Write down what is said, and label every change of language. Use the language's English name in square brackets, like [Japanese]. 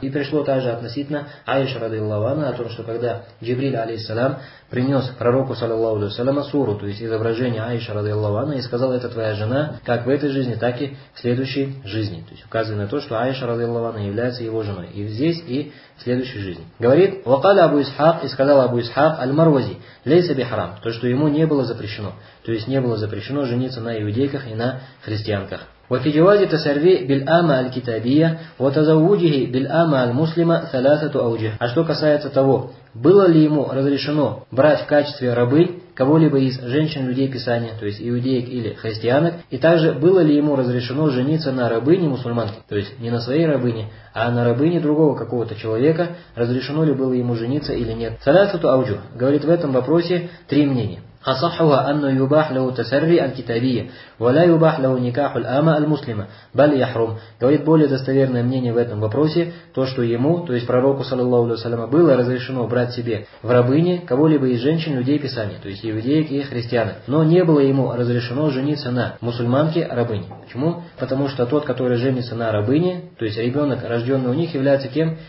[Russian] И пришло также относительно Аиши радиаллаху анха о том, что когда Джибриль алейхиссалям принес пророку, саллиллаху алейхи ва саллям, суру, то есть изображение Аиши радиаллаху анха, и сказал, это твоя жена как в этой жизни, так и в следующей жизни. То есть указывая на то, что Аиша радиаллаху анха является его женой и здесь, и в следующей жизни. Говорит, [Arabic] «Вакаля Абу Исхак», [Russian] и сказал Абу Исхак, [Arabic] «Аль-Марвази лейса бихарам», [Russian] то, что ему не было запрещено. То есть не было запрещено жениться на иудейках и на христианках. [Arabic] وفي جواز التسري بالآمة الكتابية وتزوجه بالآمة المسلمة ثلاثة أوجه. [Russian] А что касается того, было ли ему разрешено брать в качестве рабы кого-либо из женщин людей Писания, то есть иудеек или христианок, и также было ли ему разрешено жениться на рабыне мусульманке, то есть не на своей рабыне, а на рабыне другого какого-то человека, разрешено ли было ему жениться или нет. [Arabic] ثلاثة أوجه. [Russian] Говорит в этом вопросе три мнения. [Arabic] أصحها أنه يباح له تسري الكتابية ولا يباح له نكاح الآمة المسلمة بل يحرم. [Russian] Говорит более достоверное мнение в этом вопросе, то, что ему, то есть пророку, саллаллаху алейхи ва саллям, было разрешено брать себе в рабыне кого-либо из женщин людей Писания, то есть иудеек и христианок, но не было ему разрешено жениться на мусульманке рабыне. Почему? Потому что тот, который женится на рабыне, то есть ребенок, рожденный у них, является кем?